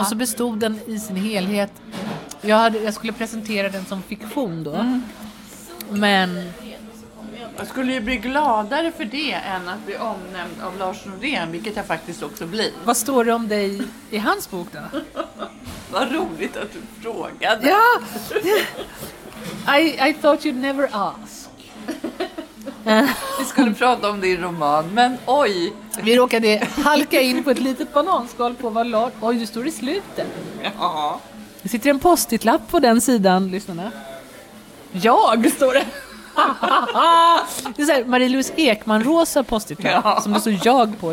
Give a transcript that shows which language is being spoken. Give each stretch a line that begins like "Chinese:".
Swedish: Och så bestod den i sin helhet. Jag skulle presentera den som fiktion då. Mm. Men... Jag skulle ju bli gladare för det än att bli omnämnd av Lars Norén, vilket jag faktiskt också blir. Vad står det om dig i hans bok då? Vad roligt att du frågade. Ja!
English: I thought you'd never ask.
Swedish: Vi skulle prata om din roman, men oj! Vi råkade halka in på ett litet bananskal på vad Lars... Oj, du står i slutet. Ja. Det sitter en post-it-lapp på den sidan, lyssnarna. Jag, står det. Det är så här, Marie-Louise Ekman-rosa post-it-lapp, ja, som det står jag på.